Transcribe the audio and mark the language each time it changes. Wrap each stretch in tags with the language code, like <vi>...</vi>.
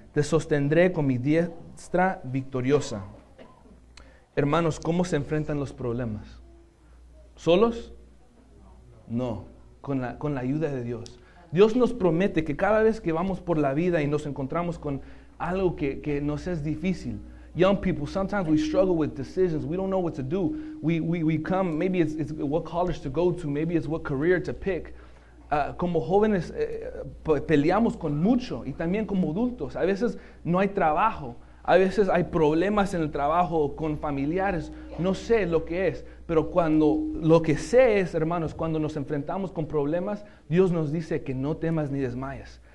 <es>Te sostendré con mi diestra victoriosa. Hermanos, ¿cómo se enfrentan los problemas? ¿Solos? No, con la ayuda de Dios. Dios nos promete que cada vez que vamos por la vida y nos encontramos con algo que nos es difícil.</es> <en>Young people, sometimes we struggle with decisions. We don't know what to do. We come, maybe it's what college to go to. Maybe it's what career to pick.</en> <es>Como jóvenes peleamos con mucho y también como adultos. A veces no hay trabajo. A veces hay problemas en el trabajo con familiares. No sé lo que es. Pero cuando lo que sé es, hermanos, cuando nos enfrentamos con problemas, Dios nos dice que no temas ni desmayes.</es>